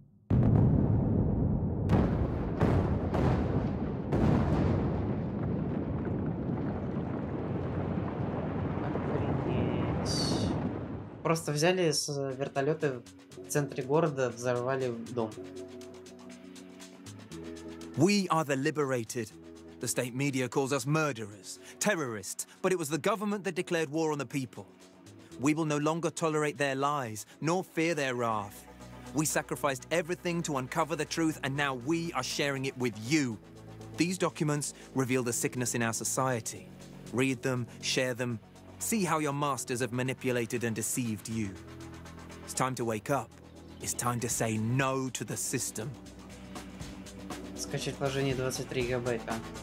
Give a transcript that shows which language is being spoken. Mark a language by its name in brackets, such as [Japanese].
[Russian] Охренеть. Просто взяли с вертолета в центре города, взорвали дом. [English] We are the liberated. The state media calls us murderers, terrorists, but it was the government that declared war on the people. We will no longer tolerate their lies, nor fear their wrath. We sacrificed everything to uncover the truth, and now we are sharing it with you. These documents reveal the sickness in our society. Read them, share them, see how your masters have manipulated and deceived you. It's time to wake up. It's time to say no to the system. [Russian] Скачать положение 23 гигабайта.